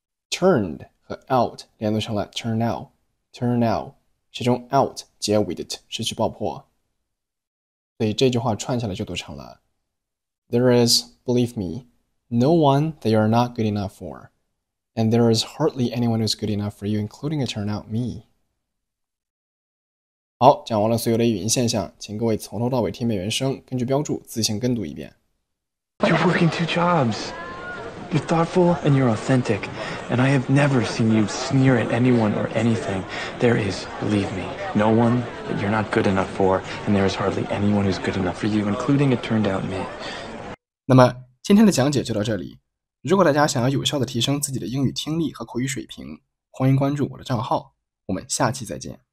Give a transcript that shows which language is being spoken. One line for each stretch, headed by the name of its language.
English: Turned 和 out
Chinese: 连读成了
English: turn out turn out，
Chinese: 其中 out 结尾的 t 失去爆破，所以这句话串下来就读成了
English: There is, believe me, no one that you are not good enough for, and there is hardly anyone who's good enough for you, including to turn out me。
Chinese: 好，讲完了所有的语音现象，请各位从头到尾听遍原声，根据标注自行跟读一遍。
English: You're working two jobs. You're thoughtful and you're authentic. And I have never seen you sneer at anyone or anything. There is, believe me, no one that you're not good enough for. And there is hardly anyone who's good enough for you, including it turned out me.
Chinese: 那么今天的讲解就到这里。如果大家想要有效地提升自己的英语听力和口语水平，欢迎关注我的账号。我们下期再见。